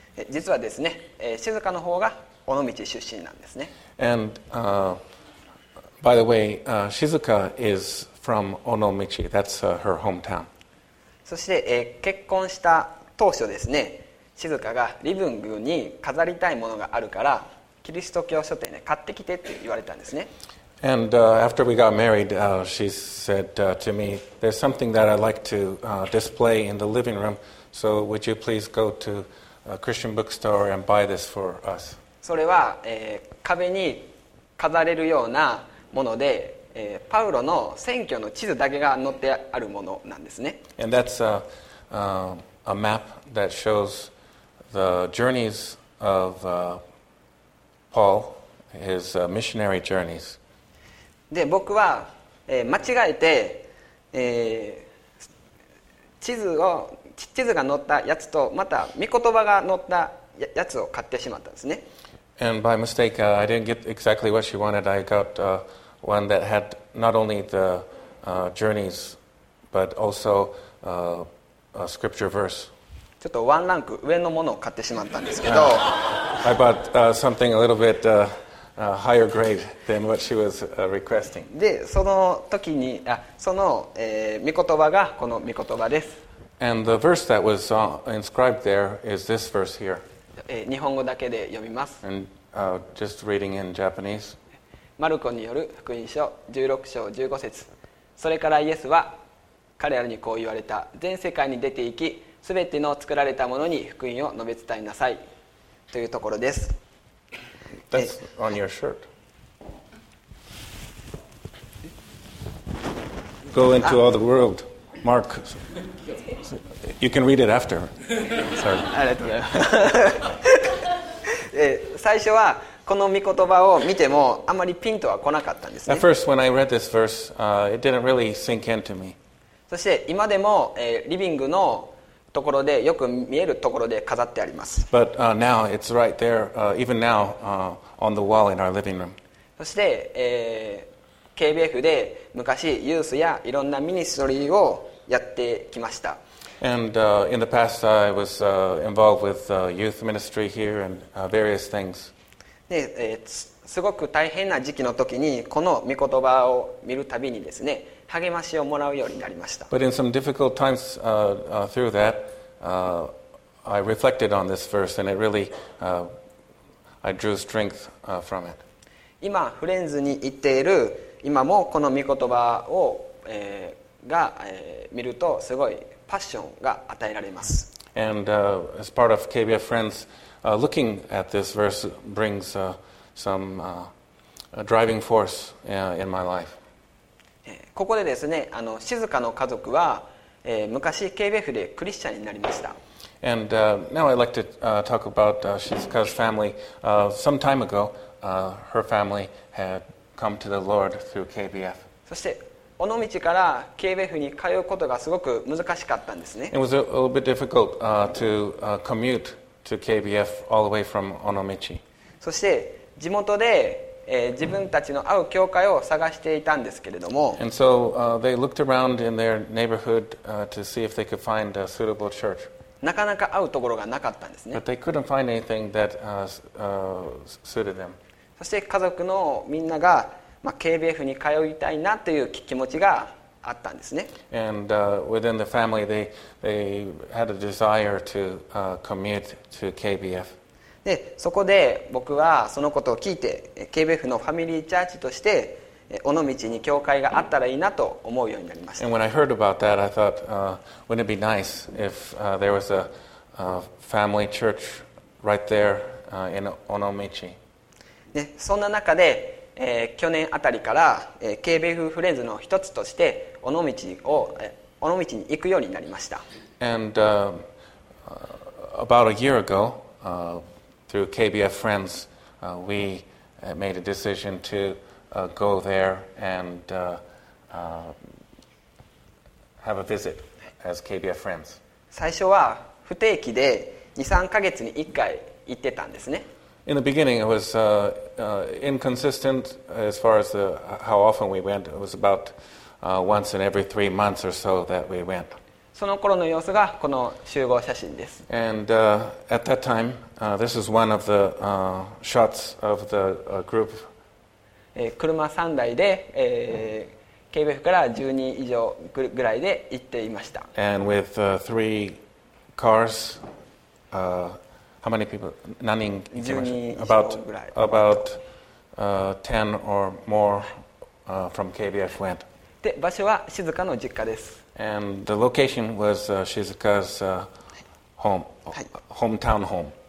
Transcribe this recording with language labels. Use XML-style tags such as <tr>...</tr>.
<ja>実はですね、Shizuka の方が尾道出身なんですね。</ja> <en>And by the way, Shizuka is from Onomichi. That's her hometown.</en> <ja>そして、結婚した当初ですね、Shizuka がリビングに飾りたいものがあるから、キリスト教書店で買ってきてって言われたんですね。</ja> <en>And after we got married, she said to me, there's something that I'd like to display in the living room, so would you please go to a Christian bookstore and buy this for us?</en> <ja>それは、壁に飾れるようなもので、パウロの宣教の地図だけが載ってあるものなんですね。</ja> <en>And that's a map that shows the journeys of Paul, his missionary journeys.</en> <ja>で僕は、間違えて、地図が載ったやつとまた御言葉が載った やつを買ってしまったんですね。</ja> <en>And by mistake, I didn't get exactly what she wanted. I got one that had not only the journeys, but also a scripture verse.</en> <ja>ちょっとワンランク上のものを買ってしまったんですけど。</ja> <en>I bought something a little bit. Higher grade than what she was requesting.</en> <ja>で、その時に、その、御言葉がこの御言葉です。</ja> <en>And the verse that was inscribed there is this verse here.</en> <ja>日本語だけで読みます。</ja> <en>And just reading in Japanese.</en> <ja>マルコによる福音書16章15節。それからイエスは彼らにこう言われた。全世界に出て行き、すべての作られたものに福音を述べ伝えなさい。というところです。</ja> <en>That's on your shirt. Go into all the world. Mark. You can read it after. Sorry.</en> <ja>ありがとうございます。最初はこの御言葉を見てもあまりピンとは来なかったんですね。</ja> <en>At first, when I read this verse, it didn't really sink into me.</en> <ja>そして今でも、リビングのところでよく見えるところで飾ってあります。</ja> <en>But now it's right there, even now, on the wall in our living room.</en> <ja>そして、KBF で昔ユースやいろんなミニストリーをやってきました。</ja> <en>And in the past, I was involved with youth ministry here and various things.</en> <ja>で、すごく大変な時期の時にこの御言葉を見るたびにですね。励ましをもらうようになりました。</ja> <en>But in some difficult times through that, I reflected on this verse and it really, I drew strength from it.</en> <ja>今、フレンズに行っている、今もこの御言葉を、が、見るとすごいパッションが与えられます。</ja> <en>And as part of KBF Friends, looking at this verse brings some driving force in my life.</en> <ja>ここでですね、あの静かの家族は、昔 KBF でクリスチャンになりました。</ja> <en>And now I'd like to talk about Shizuka's family. Some time ago, her family had come to the Lord through KBF.</en> <ja>そして尾道から KBF に通うことがすごく難しかったんですね。</ja> <en>It was a little bit difficult to commute to KBF all the way from 尾道.</en> <ja>そして地元で自分たちの合う教会を探していたんですけれども、</ja> <en>And so they looked around in their neighborhood to see if they could find a suitable church.</en> <ja>なかなか合うところがなかったんですね。</ja> <en>But they couldn't find anything that suited them.</en> <ja>そして家族のみんなが、まあ、KBF に通いたいなという気持ちがあったんですね。</ja> <en>And within the family, they had a desire to commute to KBF.</en> <ja>でそこで僕はそのことを聞いて KBF のファミリーチャーチとして尾道に教会があったらいいなと思うようになりました。</ja> <en>And when I heard about that I thought wouldn't it be nice if there was a family church right there in 尾道。</en> <ja>でそんな中で、去年あたりから、KBF フレンズの一つとして尾道に行くようになりました。</ja> <en>And about a year ago Through KBF Friends, we made a decision to go there and have a visit as KBF Friends.</en> <ja>最初は不定期で 2-3 ヶ月に1回行ってたんですね。</ja> <en>In the beginning, it was inconsistent as far as how often we went. It was about once in every 3 months or so that we went.</en> <ja>その頃の様子がこの集合写真です。</ja> <en>And at that time, this is one of the shots of the group.</en> <ja>車3台で、KBF から10人以上ぐらいで行っていました。</ja> <en>And with three cars, how many people?</en> <ja>何人行きました？10人以上ぐらい。</ja> <en>About 10 or more from KBF went.</en> <ja>で、場所は静香の実家です。</ja> <en>And the location was Shizuka's hometown home.</en>